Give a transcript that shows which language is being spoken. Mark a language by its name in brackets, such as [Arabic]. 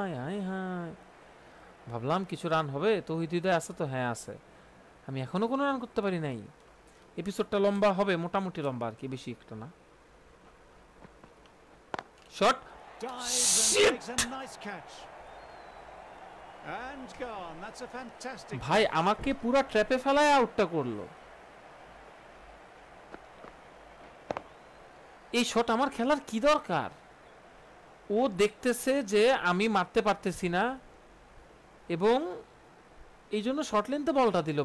[Bangla] হায় হায়, ভাবলাম কিছু রান হবে, তো হৃদয় আছে তো, হ্যাঁ আছে। আমি এখনও কোনো রান করতে পারি নাই। এপিসোডটা লম্বা হবে, মোটামুটি লম্বা আর কি, বেশি একটা না। [English] Shot. Dives and makes a nice catch. And gone. That's a fantastic [Bangla] ভাই, আমাকে পুরো ট্র্যাপে ফেলায় আউটটা করলো। এই শট আমার খেলার কি দরকার? ও দেখতেছে যে আমি মারতে পারতেছি না এবং এই জন্য শর্ট লেন্থে বলটা দিল।